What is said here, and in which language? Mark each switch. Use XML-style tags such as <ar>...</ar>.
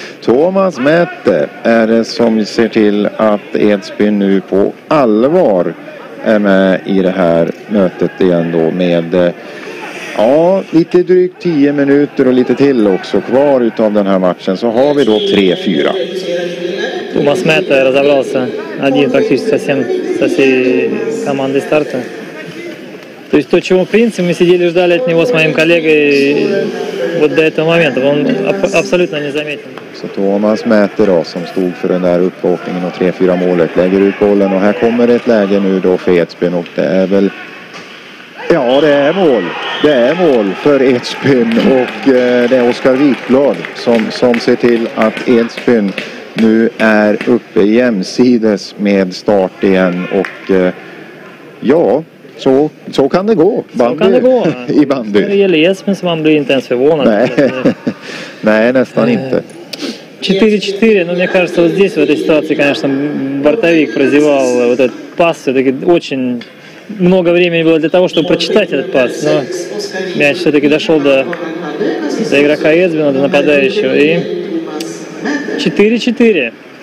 <sv>Thomas Mäte är det som ser till att Edsbyn nu på allvar är med i det här mötet igen då med... Ja, lite drygt 10 minuter och lite till också kvar utav den här matchen så har vi då 3-4.</sv> <ru>Thomas Mäte разобрался. Один практически со всей командой старта. То есть то, чего в принципе мы сидели ждали от него с моим коллегой вот до этого момента. Он абсолютно не заметен.</ru> <sv>Så Thomas Mäte då som stod för den där uppåkningen och 3-4 målet lägger ut bollen och här kommer ett läge nu då för Edsbyn och det är väl... Ja, det är mål. Det är mål för Edsbyn och det är Oskar Wikblad som ser till att Edsbyn nu är uppe jämsides med start igen. Och ja, så kan det gå. Bandy, så kan det gå. I bandy. När det gäller Edsbyn så man blir inte ens förvånad. Nej, nej nästan inte.</sv> <ru>4-4, но мне кажется, вот здесь, в этой ситуации, конечно, Бортовик прозевал вот этот пас, все-таки очень... Много времени было для того, чтобы прочитать этот пас, но мяч все-таки дошел до игрока Эдсбина, до нападающего, и 4-4.</ru>